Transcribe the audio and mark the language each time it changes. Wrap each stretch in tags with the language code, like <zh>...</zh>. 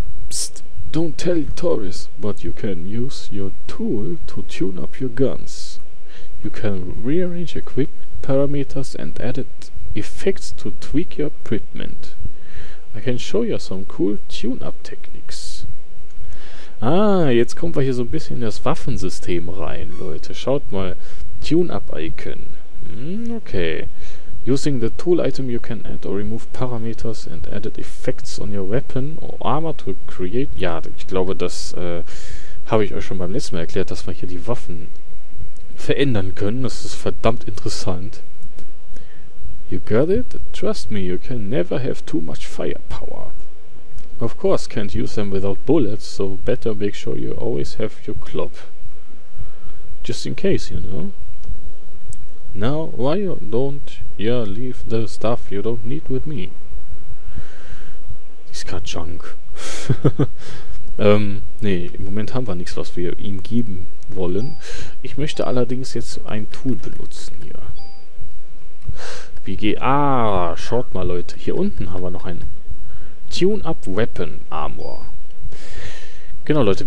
<en>Psst, don't tell Torres, but you can use your tool to tune up your guns. You can rearrange equipment parameters and add effects to tweak your equipment. I can show you some cool tune-up techniques.</en> <de>Ah, jetzt kommen wir hier so ein bisschen in das Waffensystem rein, Leute. Schaut mal, Tune-Up-Icon. Okay.</de> <en>Using the tool item you can add or remove parameters and added effects on your weapon or armor to create...</en> <de>Ja, ich glaube, das habe ich euch schon beim letzten Mal erklärt, dass wir hier die Waffen verändern können. Das ist verdammt interessant.</de> <en>You got it? Trust me, you can never have too much firepower. Of course, can't use them without bullets, so better make sure you always have your club. Just in case, you know. Now, why don't you leave the stuff you don't need with me? He's got junk.</en> <de>nee, im Moment haben wir nichts, was wir ihm geben wollen. Ich möchte allerdings jetzt ein Tool benutzen hier. Ah, schaut mal, Leute. Hier unten haben wir noch ein Tune-Up Weapon Armor. Genau, Leute.</de>